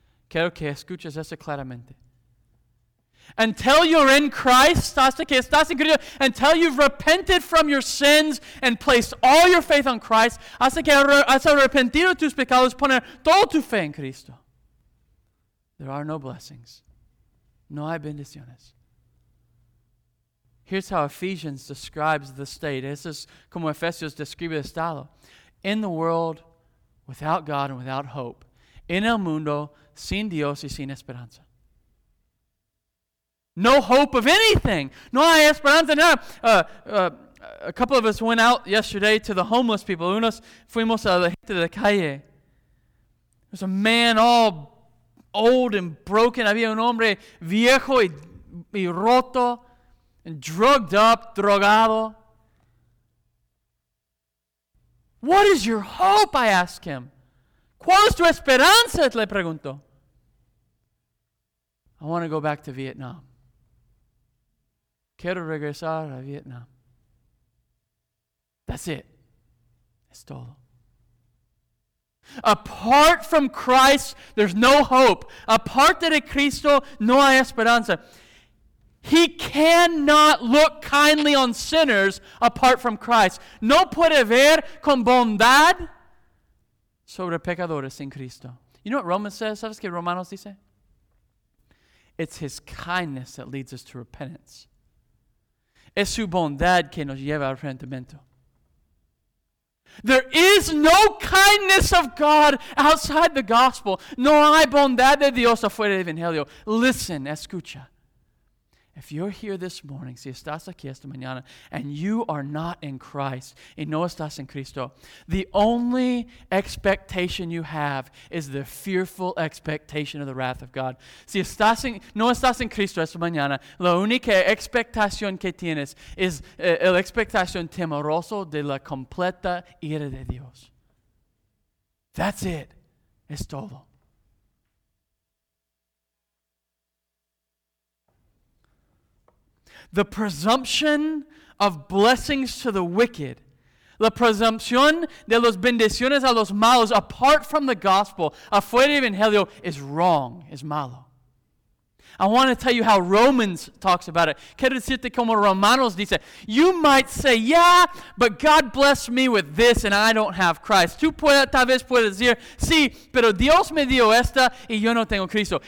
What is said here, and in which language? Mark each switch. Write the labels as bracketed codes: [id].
[es] Quiero que escuches eso claramente. [en] Until you're in Christ, [es] hasta que estás en Cristo, [en] until you've repented from your sins and placed all your faith on Christ, [es] hasta que has arrepentido tus pecados, poner toda tu fe en Cristo, [en] there are no blessings. [es] No hay bendiciones. [en] Here's how Ephesians describes the state. This is [es] como Efesios describe el estado. [en] In the world, without God and without hope. [es] En el mundo, sin Dios y sin esperanza. [en] No hope of anything. [es] No hay esperanza. [en] No. A couple of us went out yesterday to the homeless people. [es] Unos fuimos a la gente de la calle. [en] There's a man all old and broken. [es] Había un hombre viejo y roto. [en] And drugged up, [es] drogado. [en] What is your hope? I ask him. [es] ¿Cuál es tu esperanza? Le pregunto. [en] I want to go back to Vietnam. [es] Quiero regresar a Vietnam. [en] That's it. [es] Es todo. [en] Apart from Christ, there's no hope. [es] Apart de Cristo, no hay esperanza. [en] He cannot look kindly on sinners apart from Christ. [es] No puede ver con bondad sobre pecadores sin Cristo. [en] You know what Romans says? [es] ¿Sabes qué Romanos dice? [en] It's His kindness that leads us to repentance. [es] Es su bondad que nos lleva al arrepentimiento. [en] There is no kindness of God outside the gospel. [es] No hay bondad de Dios afuera del Evangelio. [en] Listen, [es] escucha. [en] If you're here this morning, [es] si estás aquí esta mañana, [en] and you are not in Christ, [es] y no estás en Cristo, [en] the only expectation you have is the fearful expectation of the wrath of God. [es] Si estás en, no estás en Cristo esta mañana, la única expectación que tienes es la expectación temerosa de la completa ira de Dios. [en] That's it. [es] Es todo. [en] The presumption of blessings to the wicked. [es] La presumpción de las bendiciones a los malos [en] apart from the gospel, [es] afuera del Evangelio, [en] is wrong, [es] is malo. [en] I want to tell you how Romans talks about it. [es] Quiero decirte como Romanos dice. [en] You might say, yeah, but God blessed me with this and I don't have Christ. [es] Tú puedes, tal vez puedes decir, sí, pero Dios me dio esta y yo no tengo Cristo.